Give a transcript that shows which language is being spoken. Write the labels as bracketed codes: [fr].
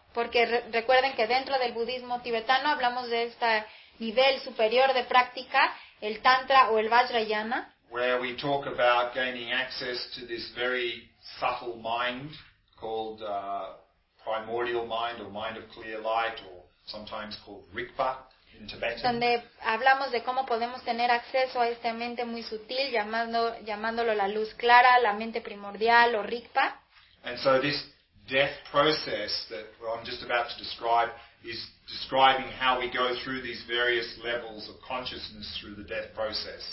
[es] Porque recuerden que dentro del budismo tibetano hablamos de este nivel superior de práctica, el Tantra o el Vajrayana. [en] Where we talk about gaining access to this very subtle mind called primordial mind or mind of clear light or sometimes called Rigpa in Tibetan. [es] Donde hablamos de cómo podemos tener acceso a esta mente muy sutil, llamándolo la luz clara, la mente primordial o Rigpa. [en] And so this death process that I'm just about to describe is describing how we go through these various levels of consciousness through the death process.